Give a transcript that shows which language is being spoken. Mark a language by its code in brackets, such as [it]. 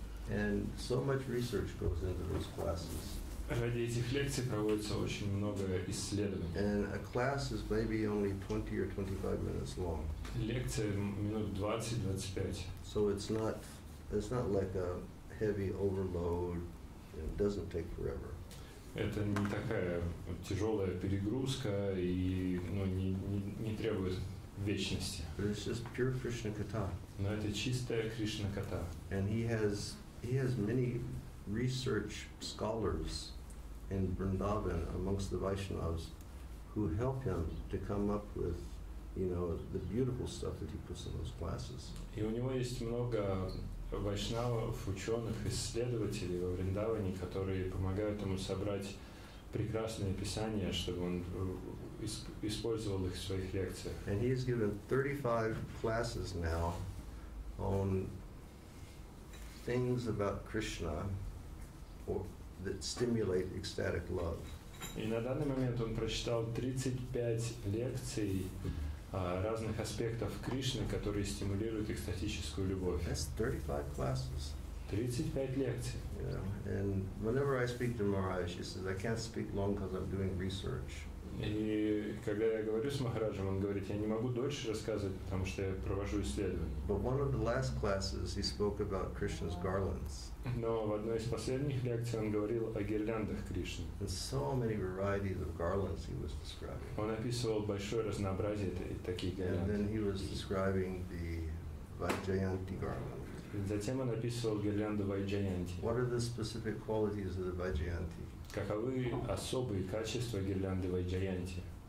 [en] And so much research goes into those classes. [ru] Ради этих лекций проводится очень много исследований. [en] And a class is maybe only 20 or 25 minutes long. [ru] Лекция минут 20-25. [en] So it's not like a heavy overload. It doesn't take forever. [ru] Это не такая тяжелая перегрузка и не требует вечности. [en] But it's just pure Krishna katha. [ru] Но это чистая Кришна катха. [en] And he has many research scholars in Vrindavan amongst the Vaishnavas who help him to come up with, you know, the beautiful stuff that he puts in those classes. [ru] И у него есть много вайшнавов, ученых, исследователей во Вриндаване, которые помогают ему собрать прекрасные писания, чтобы он использовал их в своих лекциях. [en] And he has given 35 classes now on things about Krishna or that stimulate ecstatic love. [ru] И на данный момент он прочитал 35 лекций разных аспектов Кришны, которые стимулируют экстатическую любовь. [en] That's 35 classes. [ru] 35 лекций. [en] Yeah. And whenever I speak to Maharaj, she says, I can't speak long because I'm doing research. [ru] И когда я говорю с Махараджем, он говорит, я не могу дольше рассказывать, потому что я провожу исследование. [en] But one of the last classes, he spoke about Krishna's garlands. [ru] Но в одной из последних лекций он говорил о гирляндах Кришны. [en] And so many varieties of garlands he was describing. [ru] Он описывал большое разнообразие таких гирлянд. [en] And then he was describing the Vajrayanti garland. [ru] Затем он описывал гирлянду Вайджаянти. [en] What are the specific qualities of the Vajrayanti? [ru] Каковы особые качества гирлянды Вайджаянти?